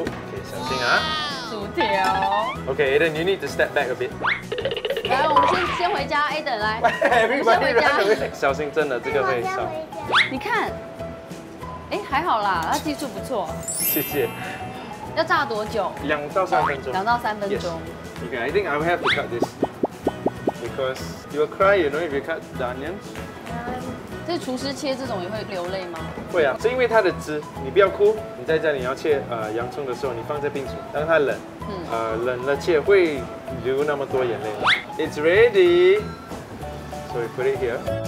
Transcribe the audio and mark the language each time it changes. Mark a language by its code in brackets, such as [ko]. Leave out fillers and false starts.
[zh] OK， 小心啊。薯条。 [en] OK， Aiden， you need to step back a bit。 [zh] 来，我们先回家， Aiden， 来。先回家。小心，真的这个会烧。你看，哎，还好啦，他技术不错。谢谢。要炸多久？ 2到3分钟。 2到3分钟。 [en] Yes. OK， I think I will have to cut this because you will cry, you know, if you cut the onions。 [zh] 这厨师切这种也会流泪吗？会啊，是因为它的汁。你不要哭，你在家里要切洋葱的时候，你放在冰箱，让它冷，冷了切会流那么多眼泪。 [en] It's ready, so we put it here。